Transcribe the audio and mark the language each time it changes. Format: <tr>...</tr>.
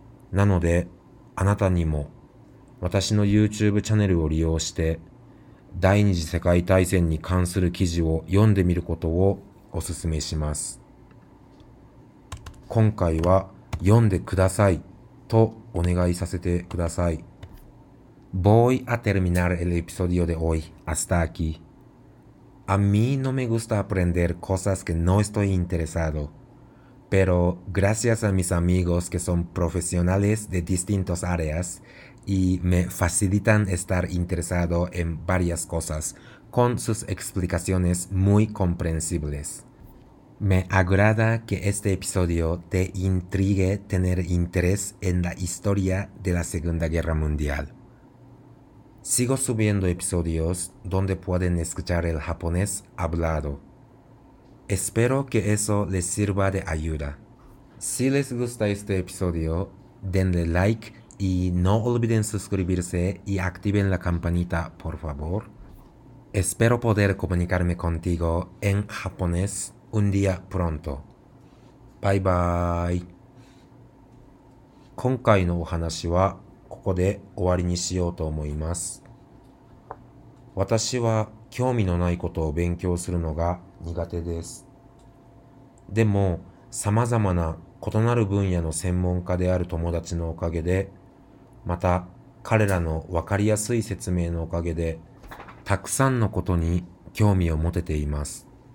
<ja>なので、あなたにも私の YouTube チャンネルを利用して第二次世界大戦に関する記事を読んでみることをお勧めします。今回は読んでくださいとお願いさせてください。</ja> <es>Voy a terminar el episodio de hoy. Hasta aquí. A mí no me gusta aprender cosas que no estoy interesado. Pero gracias a mis amigos que son profesionales de distintas áreas y me facilitan estar interesado en varias cosas con sus explicaciones muy comprensibles. Me agrada que este episodio te intrigue tener interés en la historia de la Segunda Guerra Mundial. Sigo subiendo episodios donde pueden escuchar el japonés hablado. Espero que eso les sirva de ayuda. Si les gusta este episodio, denle like y no olviden suscribirse y activen la campanita, por favor. Espero poder comunicarme contigo en japonés un día pronto. Bye bye.</es> <ja>今回のお話はここで終わりにしようと思います。私は興味のないことを勉強するのが苦手です。でも様々な異なる分野の専門家である友達のおかげで、また彼らの分かりやすい説明のおかげで、たくさんのことに興味を持てています。</ja>